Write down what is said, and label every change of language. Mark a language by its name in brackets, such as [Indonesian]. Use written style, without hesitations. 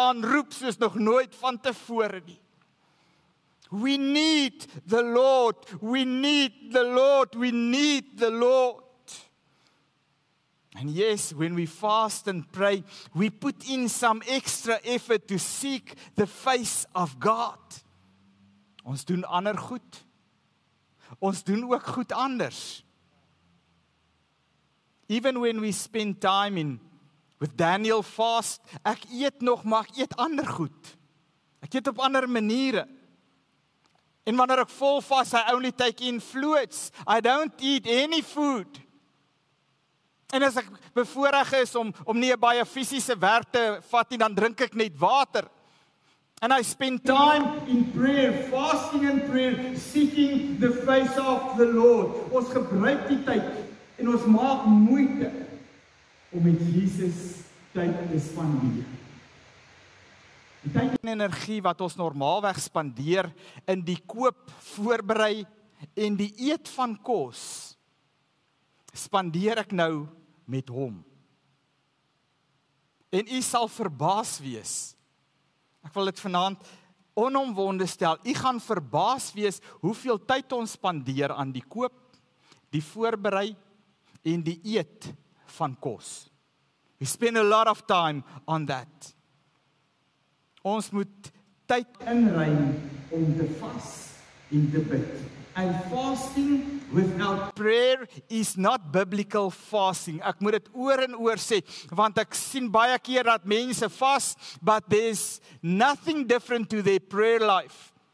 [Afrikaans] aanroep soos nog nooit van tevore nie. [English] We need the Lord, we need the Lord, we need the Lord. And yes, when we fast and pray, we put in some extra effort to seek the face of God. [Afrikaans] Ons doen ander goed. Ons doen ook goed anders. [English] Even when we spend time in with Daniel fast, [Afrikaans] ek eet nog, maar ek eet ander goed. Ek eet op ander maniere. En wanneer ek vol vast, [English] I only take in fluids. I don't eat any food. [Afrikaans] En as ek bevoorreg is om nie baie fisiese werk te vat nie, dan drink ek net water. [English] And I spend time in prayer, fasting and prayer, seeking the face of the Lord. [Afrikaans] Ons gebruik die tyd en ons maak moeite om met Jesus tyd te spandeer. Die tyd en energie wat ons normaalweg spandeer in die koop, voorberei en die eet van kos, spandeer ek nou met hom. En u sal verbaas wees. Ek wil dit vanaand onomwonde stel. U gaan verbaas wees hoeveel tyd ons spandeer aan die koop, die voorberei en die eet van kos. [English] We spend a lot of time on that. [Afrikaans] Ons moet tyd inruim om te vas en te bid. [English] And fasting without prayer is not biblical fasting. [Afrikaans] Ek moet dit oor en oor sê, want ek sien baie keer dat mense vas, [English] but there's nothing different to their prayer life.